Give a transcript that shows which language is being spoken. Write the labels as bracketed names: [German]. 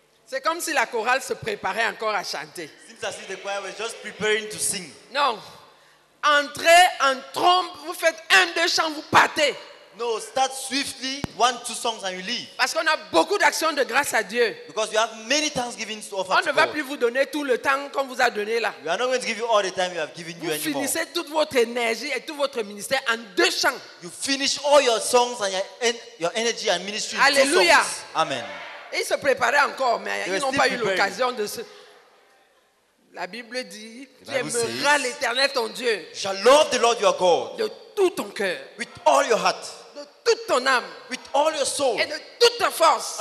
[French] C'est comme si la chorale se préparait encore à chanter. [English] Seems as if the choir was just preparing to sing. [French] Non. Entrez en trompe, vous faites un, deux chants, vous partez. [English] No, start swiftly, one, two songs and you leave. [French] Parce qu'on a beaucoup d'actions de grâce à Dieu. [English] Because you have many thanksgivings to offer. [French] On ne va plus vous donner tout le temps qu'on vous a donné là. [English] We are not going to give you all the time we have given you anymore. [French] Vous finissez toute votre énergie et tout votre ministère en deux chants. [English] You finish all your songs and your energy and ministry in Alleluia. Two songs. Amen. [French] Ils se préparaient encore, mais ils n'ont pas [English] preparing. [French] Eu l'occasion de se. La Bible dit, tu aimeras l'Éternel ton Dieu. [English] Shall love the Lord your God. [French] De tout ton cœur. [English] With all your heart. [French] De toute ton âme. [English] With all your soul. [French] Et de toute ta force.